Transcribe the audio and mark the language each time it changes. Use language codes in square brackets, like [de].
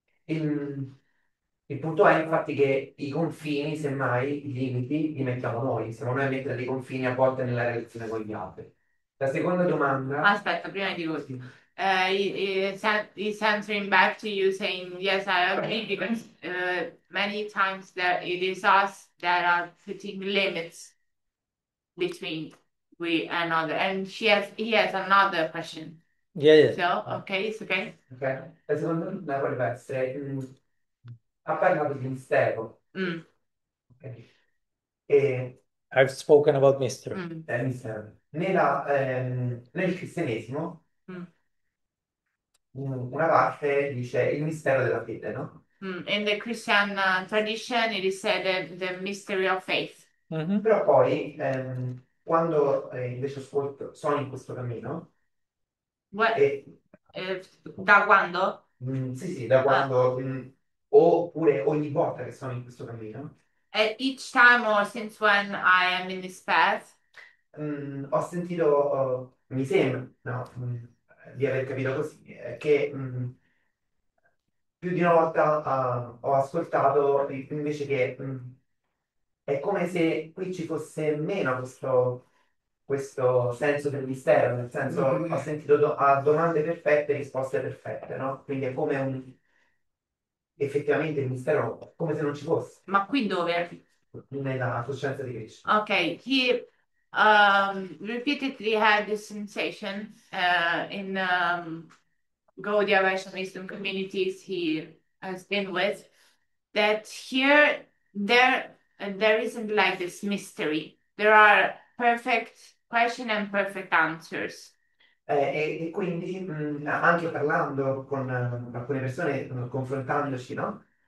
[it] Il punto è infatti che i confini, semmai, i limiti, li mettiamo noi, siamo noi a mettere i confini a volte nella relazione con gli altri. La seconda domanda. Aspetta, prima di tutto, [en] he's answering back to you saying, yes, I agree, because many times that it is us that are putting limits between we and other. And he has another question. So, okay, it's okay. Okay. [it] Secondo me, la vuole essere ha parlato di mistero. Ok. [en] I've spoken about mister. [it] E mistero. Nel cristianesimo, una parte dice il mistero della fede, [en] In the Christian tradition, it is said the mystery of faith. [it] no? Però poi, quando invece ascolto, sono in questo cammino, [en] What? [it] Da quando? sì, da quando, oppure ogni volta che sono in questo cammino, [en] Each time or since when I am in this path? [it] ho sentito, mi sembra, no, di aver capito così, che più di una volta ho ascoltato invece che è come se qui ci fosse meno questo senso del mistero, nel senso ho sentito a domande perfette risposte perfette, no? Quindi è come un effettivamente il mistero, come se non ci fosse Ma qui dove? nella coscienza di Krishna. [en] Okay, he repeatedly had this sensation in Gaudiya Vaishnava Wisdom communities he has been with that here there isn't like this mystery. There are perfect question and perfect answers. [it] E quindi anche parlando con alcune persone, confrontandoci, no?